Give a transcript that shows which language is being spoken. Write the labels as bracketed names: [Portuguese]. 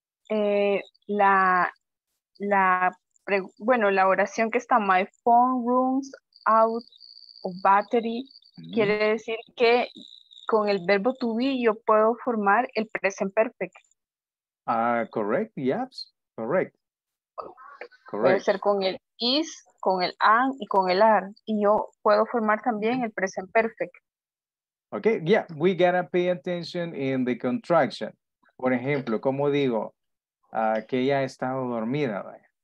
[Spanish] La oración que está, [English] my phone runs out of battery, [Spanish] quiere decir que con el verbo to be yo puedo formar el present perfect. [English] Correct. [Spanish] Puede ser con el is, con el am y con el are. Y yo puedo formar también el present perfect. [English] Okay, yeah, we gotta pay attention in the contraction. [Spanish] Por ejemplo, como digo, que ella ha estado dormida, ¿verdad?